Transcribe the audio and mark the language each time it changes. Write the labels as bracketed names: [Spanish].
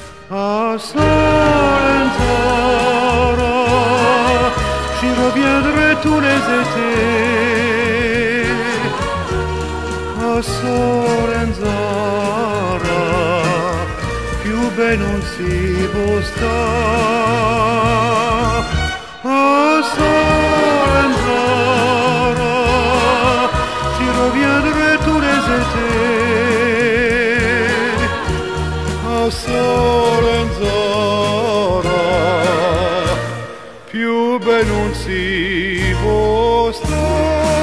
[French] Ah, Solenzara, j'y reviendrai tous les étés. [Italian] A Solenzara, più ben non si può star. [French] A Solenzara, j'y reviendrai tous les étés. [Italian] A Solenzara, più ben non si può star.